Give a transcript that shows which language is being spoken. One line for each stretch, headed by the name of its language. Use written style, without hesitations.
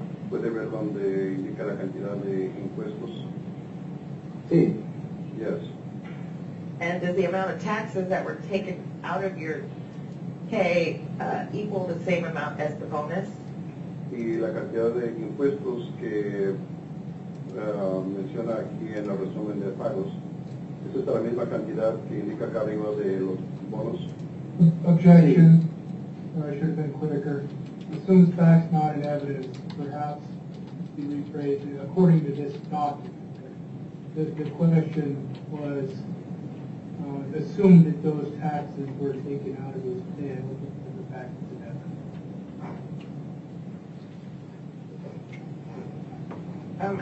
Spanish: ¿Puede ver dónde indica la cantidad de impuestos? Sí.
English: Yes. And does the amount of taxes that were taken out of your pay equal the same amount as the bonus?
Spanish: Y la cantidad de impuestos que menciona aquí en la resumen de pagos, ¿es esta la misma cantidad que indica acá arriba de los bonos?
English: Objection. Sí. I should have been quicker. Assumes facts not in evidence, perhaps you rephrase it according to this document. The question was assumed that those taxes were taken out of his pay and looking for the facts in evidence.